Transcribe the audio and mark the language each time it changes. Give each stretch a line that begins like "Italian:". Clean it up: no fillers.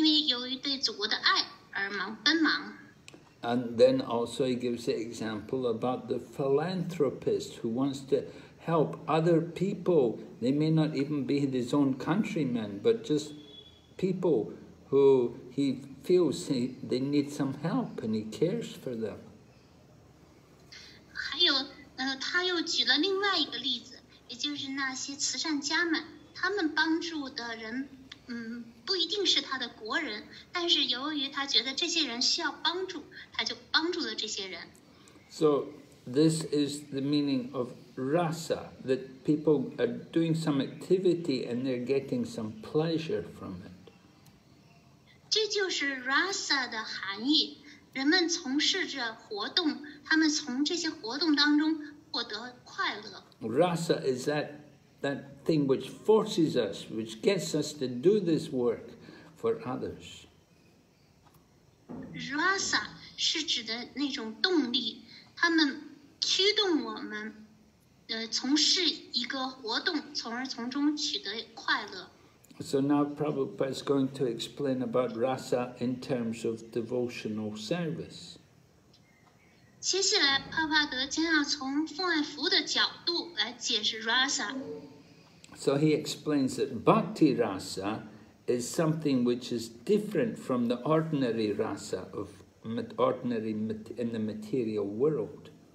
Chinese: 帕帕德举了另外一个例子，是那些爱国志士、民族主义者，他们因为由于对祖国的爱而忙奔忙。
English: And then also he gives the example about the philanthropist who wants to help other people. They may not even be his own countrymen, but just people who he feels they need some help and he cares for them.
Chinese: 还有他又举了另外一个例子，也就是那些慈善家们，他们帮助的人，不一定是他的国人，但是由于他觉得这些人需要帮助，他就帮助了这些人。
English: So this is the meaning of rasa, that people are doing some activity and they're getting some pleasure from it.
Chinese: 这就是 rasa 的含义，人们从事着活动，他们从这些活动当中获得快乐。Rasa
English: is that thing which forces us, which gets us to do this work for others.
Chinese: Rasa 是指的那种动力，他们驱动我们。从事一个活动，从而从中取得快乐。So
English: now Prabhupada is going to explain about rasa in terms of devotional service.
Chinese: 接下来，帕帕德将要从父爱福的角度来解释 rasa。
English: So he explains that bhakti rasa is something which is different from the ordinary rasa of ordinary in the material world.